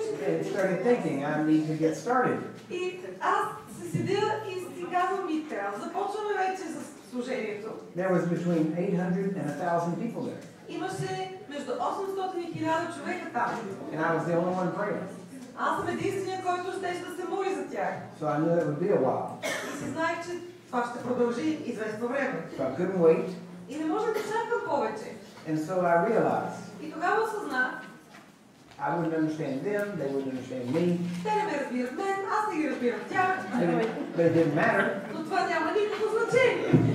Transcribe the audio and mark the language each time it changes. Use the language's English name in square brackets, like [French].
[English] And started thinking, I need to get started. [Bulgarian] И аз се седя и си казвам, ми трябва. Започваме вече с служението. [English] There was between 800 and 1,000 people there. [Bulgarian] Имаше между 800 и 1,000 човека там. [English] And I was the only one praying. [Bulgarian] Аз съм единствения, който щеше да се моли за тях. [English] So I knew that would be a while. [Bulgarian] И си знаех, че това ще продължи известно време. [English] So I couldn't wait. [Bulgarian] И не можех да чакам повече. [English] And so I realized. [Bulgarian] И тогава осъзнах. [English] I wouldn't understand them, they wouldn't understand me. [Bulgarian] Те не ме разбират мен, аз не ги разбирам тях. [English] But it didn't matter. [Bulgarian] Но това няма никакво значение.